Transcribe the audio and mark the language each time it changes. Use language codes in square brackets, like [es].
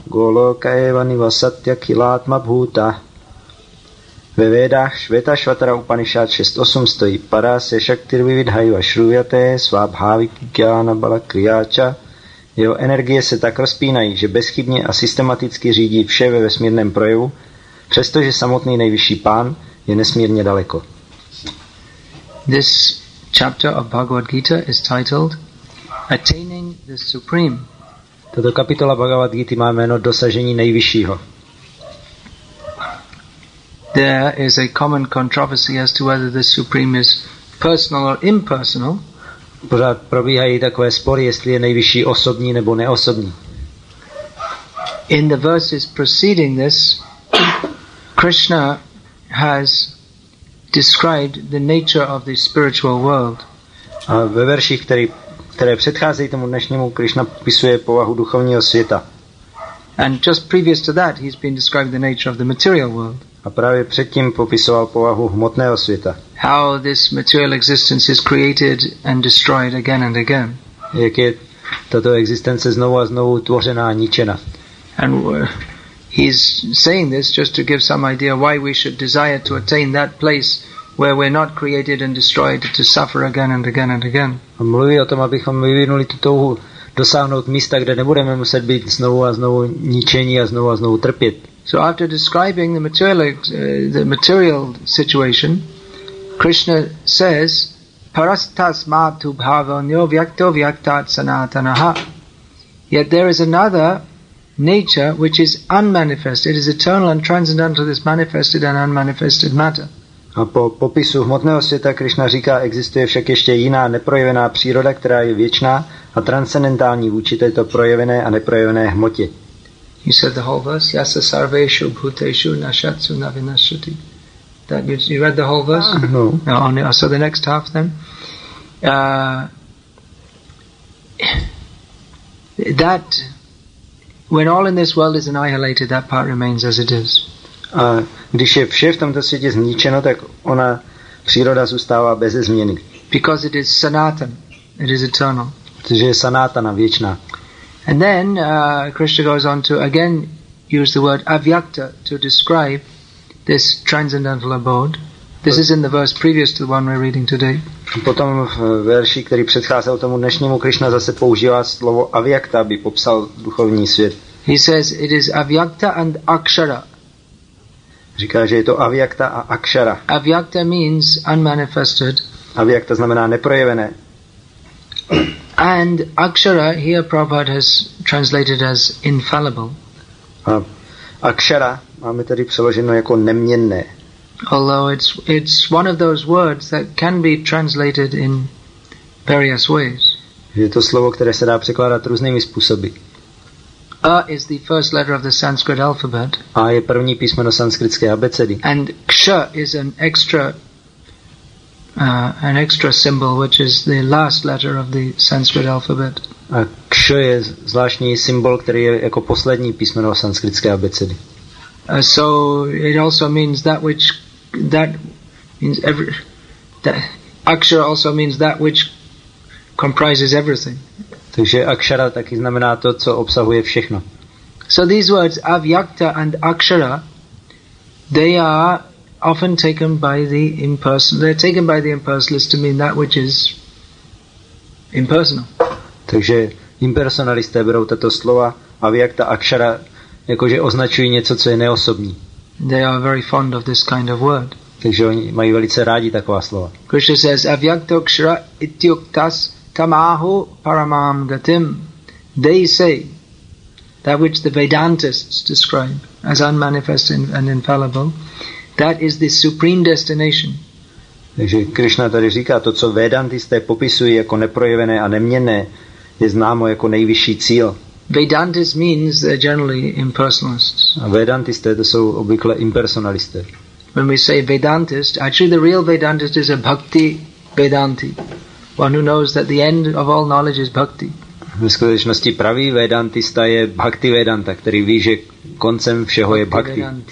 [sa] Goloka evani vasatya kilatma bhuta. [cs] Ve Vedách Šveta Švatara Upanishad 6.8 stojí [sa] Pará se šaktir vividhajva šruvjaté svá bhaviky kjána bala kriáča. [cs] Jeho energie se tak rozpínají, že bezchybně a systematicky řídí vše ve vesmírném projevu, přestože samotný nejvyšší pán je nesmírně daleko. [en] This chapter of Bhagavad Gita is titled Attaining the Supreme. [cs] Tato kapitola Bhagavad Gita má jméno Dosažení nejvyššího. [en] There is a common controversy as to whether the Supreme is personal or impersonal, [cs] pořád probíhají takové spory, jestli je nejvyšší osobní nebo neosobní. [en] In the verses preceding this, Krishna has described the nature of the spiritual world. [cs] A ve verších, které předcházejí tomu dnešnímu, Krishna popisuje povahu duchovního světa. [en] And just previous to that, he's been describing the nature of the material world. [cs] A právě předtím popisoval povahu hmotného světa. [en] How this material existence is created and destroyed again and again. [cs] Jak je tato existence znovu a znovu tvořena a ničena. [en] And he's saying this just to give some idea why we should desire to attain that place where we're not created and destroyed to suffer again and again and again. [cs] A mluví o tom, abychom vyvinuli tu touhu dosáhnout místa, kde nebudeme muset být znovu a znovu ničení a znovu a znovu trpět. [en] So after describing the material situation, Krishna says, [sa] parastas matu bhava nyo vyakto vyaktat sanatanaha. [en] Yet there is another nature which is unmanifested, it is eternal and transcendental, this manifested and unmanifested matter. [cs] A po popisu hmotného světa Krishna říká, existuje však ještě jiná neprojevená příroda, která je věčná a transcendentální vůči této projevené a neprojevené hmotě. [en] You said the whole verse, [sa] yasa sarveshu bhuteshu nashatsu navinashati. [en] That you read the whole verse? No. Only, so the next half then. That when all in this world is annihilated, that part remains as it is. [cs] A když je vše v tomto světě zničeno, tak ona příroda zůstává bez změny. [en] Because it is sanatan, it is eternal. [cs] Protože je sanatana, věčná. [en] And then Krishna goes on to again use the word avyakta to describe this transcendental abode. This is in the verse previous to the one we're reading today. [cs] Potom v verši, který předcházel tomu dnešnímu, Krishna zase používá slovo avyakta, aby popsal duchovní svět. [en] He says it is avyakta and akshara. [cs] Říká, že je to avyakta a akshara. [en] Avyakta means unmanifested. [cs] Avyakta znamená neprojevené. [en] And akshara here Prabhupada has translated as infallible. [cs] A akshara máme tady přeloženo jako neměnné. [en] Although it's one of those words that can be translated in various ways. [cs] Je to slovo, které se dá překládat různými způsoby. [en] A is the first letter of the Sanskrit alphabet. [cs] A je první písmeno sanskritské abecedy. [en] And ksha is an extra symbol, which is the last letter of the Sanskrit alphabet. [cs] A ksha je zvláštní symbol, který je jako poslední písmeno sanskritské abecedy. [en] So it also means that which that means every that akshara also means that which comprises everything. [cs] Takže akshara taky znamená to, co obsahuje všechno. [en] So these words avyakta and akshara, they are often taken by the impersonal. They're taken by the impersonalist to mean that which is impersonal. [cs] Takže impersonalisté berou tato slova avyakta akshara, jakože označují něco, co je neosobní. [en] They are very fond of this kind of word. [cs] Takže oni mají velice rádi taková slova. [en] Krishna says [sa] avyakta akshara ityuktas tamahu paramam gatim. [en] They say that which the Vedantists describe as unmanifest and infallible, that is the supreme destination. [cs] Takže Krishna tady říká, to co Vedantisté popisují jako neprojevené a neměnné, je známo jako nejvyšší cíl. [en] Vedantist means they're generally impersonalists. [cs] A Vedantisté to jsou obvykle impersonalisté. [en] When we say Vedantist, actually the real Vedantist is a bhakti Vedanti. One who knows that the end of all knowledge is bhakti. [cs] Ve skutečnosti pravý Vedantista je bhakti Vedanta, který ví, že koncem všeho je bhakti.